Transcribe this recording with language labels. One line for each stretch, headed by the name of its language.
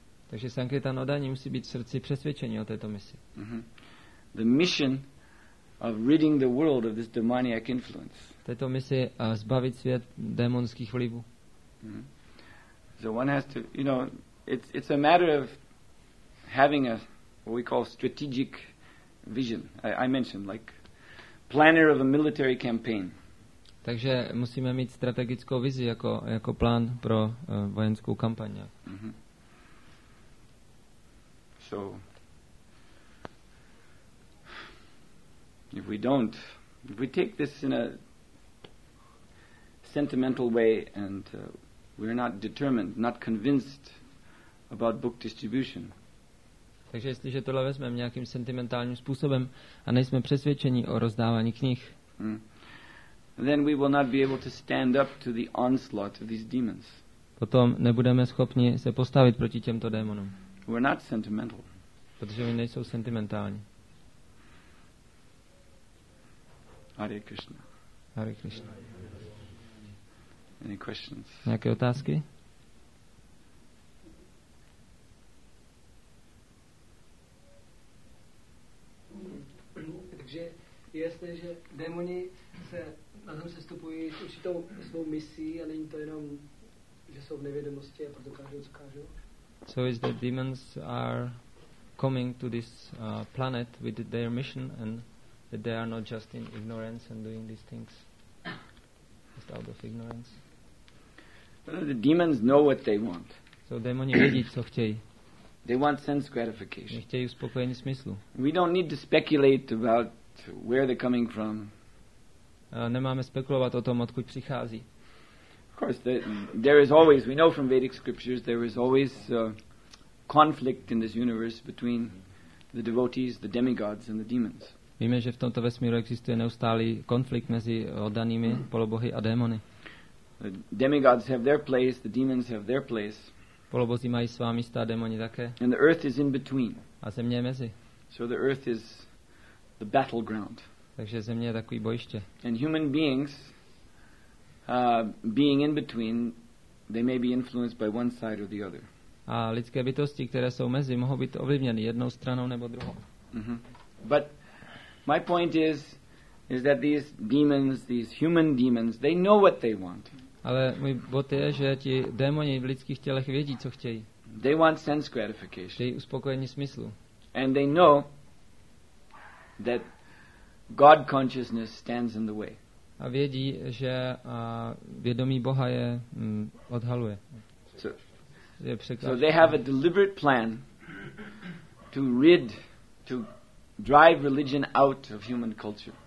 Czech: Takže sankirtan odaní musí být v srdci přesvědčení o této misi.
English: The mission of ridding the world of this demoniac influence.
Czech: Této misi zbavit svět démonských vlivů.
English: So one has to, you know, it's a matter of having a what we call strategic vision. I mentioned like planner of a military campaign.
Czech: Takže musíme mít strategickou vizi jako plán pro vojenskou kampaň.
English: So if we don't, if we take this in a sentimental way and we're not determined, not convinced about book distribution.
Czech: Takže jestliže tohle vezmeme nějakým sentimentálním způsobem a nejsme přesvědčeni o rozdávání knih,
English: then we will not be able to stand up to the onslaught of these demons.
Czech: Potom nebudeme schopni se postavit proti těmto démonům.
English: We're not sentimental.
Czech: Protože oni nejsou sentimentální.
Sanskrit: Hare Krishna. Hare Krishna.
English: Any questions?
Czech: Nějaké otázky? Takže je jasné, že démoni se na zem sestupují s určitou svou misí a není to jenom, že jsou v nevědomosti a proto kážou, co kážou?
English: So is that demons are coming to this planet with their mission and that they are not just in ignorance and doing these things, just out of ignorance. But the demons know what they want.
Czech: So démoni vědí, co chtějí.
English: They want sense gratification.
Czech: Chtějí uspokojení smyslu.
English: We don't need to speculate about where they're coming from.
Czech: Nemáme spekulovat o tom, odkud přichází.
English: Of course, there is always, we know from Vedic scriptures, there is always conflict in this universe between the devotees, the demigods and the demons.
Czech: Víme, že v tomto vesmíru existuje neustálý konflikt mezi oddanými polobohy a démony.
English: The demigods have their place, the demons have their place.
Czech: Polobozy mají svá místa, démoni také.
English: And the earth is in between.
Czech: A země je mezi.
English: So the earth is the battleground.
Czech: Takže země je takový bojiště.
English: And human beings being in between, they may be influenced by one side or the other.
Czech: A lidské bytosti, které jsou mezi, mohou být ovlivněny jednou stranou nebo druhou.
English: But my point is that these demons, these human demons, they know what they want.
Czech: Ale můj bod je, že ti démoni v lidských tělech vědí, co chtějí.
English: They want sense gratification.
Czech: Chtějí uspokojení smyslu.
English: And they know that God consciousness stands in the way.
Czech: A vědí, že vědomí Boha je odhaluje.
English: So they have a deliberate plan to drive religion out of human culture.